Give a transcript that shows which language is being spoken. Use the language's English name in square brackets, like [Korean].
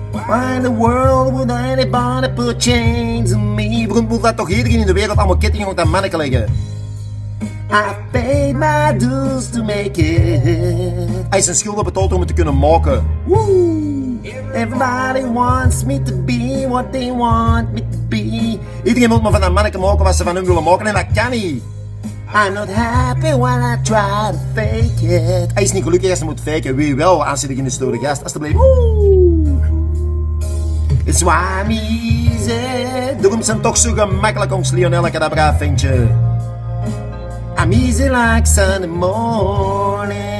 [English] Why in the world would anybody put chains on me? [Dutch] Waarom moet dat toch iedereen in de wereld allemaal kettingen op dat manneke leggen? [English] I paid my dues to make it. [Dutch] Hij is een schuld betaald om het te kunnen maken. Woo! [English] Everybody wants me to be what they want me to be. [Dutch] Iedereen moet maar van dat manneke maken wat ze van hem willen maken en dat kan niet. [English] I'm not happy when I try to fake it. [Dutch] Hij is niet gelukkig als hij moet faken. Wie wel, als hij in de stoere gast. Alsjeblieft. [English] Woo! It's why I'm easy. [Dutch] Daarom zijn toch zo gemakkelijk om Lionelleke, dat braaf ventje. [English] I'm easy like Sunday morning.